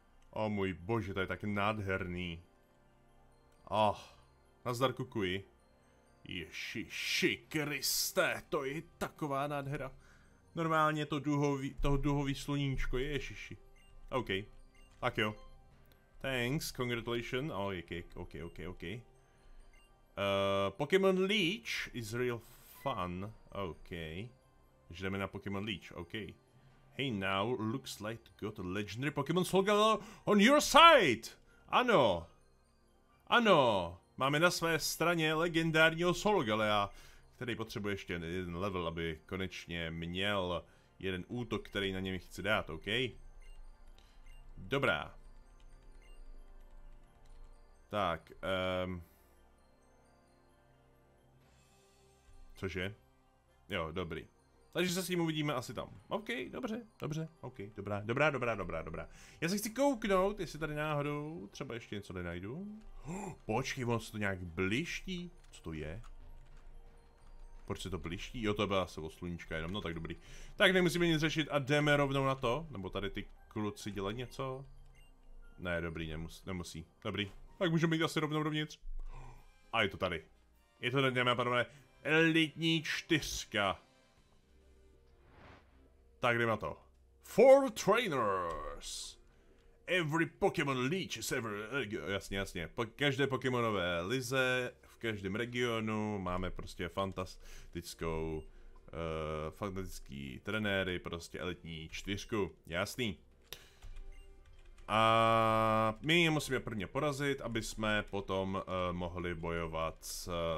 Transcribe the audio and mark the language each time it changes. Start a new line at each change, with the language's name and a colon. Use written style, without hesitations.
Czech: O můj bože, to je tak nádherný. Oh. Nazdar kukuji. Ježiši Kriste, to je taková nádhera. Normálně to duhový, toho duhový sluníčko, ježiši. OK, tak jo.
English: Thanks, congratulations. Oh, OK. Pokémon Leech is real fun. OK.
Czech: Žijeme na Pokémon Leech, OK.
English: Hey now, looks like got a legendary Pokémon Solgaleo on your side.
Czech: Ano. Ano. Máme na své straně legendárního Solgalea, který potřebuje ještě jeden level, aby konečně měl jeden útok, který na něm chci dát, OK? Dobrá. Tak, cože? Jo, dobrý. Takže se s ním uvidíme asi tam. OK, dobře, OK, dobrá. Já se chci kouknout, jestli tady náhodou třeba ještě něco nenajdu. Počkej, on se to nějak bliští? Co to je? Proč se to bliští? Jo, to byla asi o sluníčka jenom, no tak dobrý. Tak nemusíme nic řešit a jdeme rovnou na to. Nebo tady ty kluci dělají něco? Ne, dobrý, nemusí. Dobrý, tak můžeme jít asi rovnou dovnitř. A je to tady. Je to tady, dámy a pánové, elitní čtyřka. Tak jdeme na to.
English: Four trainers. Every Pokémon Leech is every...
Czech: Jasně. Každé Pokémonové lize v každém regionu máme prostě fantastickou... fantastický trenéry, prostě elitní čtyřku. Jasný. A my je musíme prvně porazit, aby jsme potom mohli bojovat s...